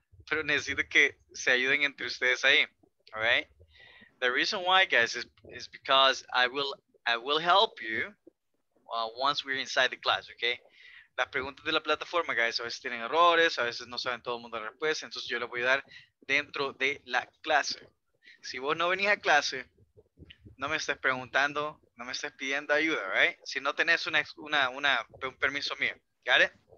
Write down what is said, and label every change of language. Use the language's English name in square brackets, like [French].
[Spanish] Pero necesito que se ayuden entre ustedes ahí, all right? [English] The reason why, guys, is because I will help you once we're inside the class, okay? [Spanish] Las preguntas de la plataforma, guys, a veces tienen errores, a veces no saben todo el mundo la respuesta, entonces yo les voy a dar dentro de la clase. Si vos no venís a clase, no me estés preguntando, no me estés pidiendo ayuda, all right? Si no tenés un permiso mío, got it?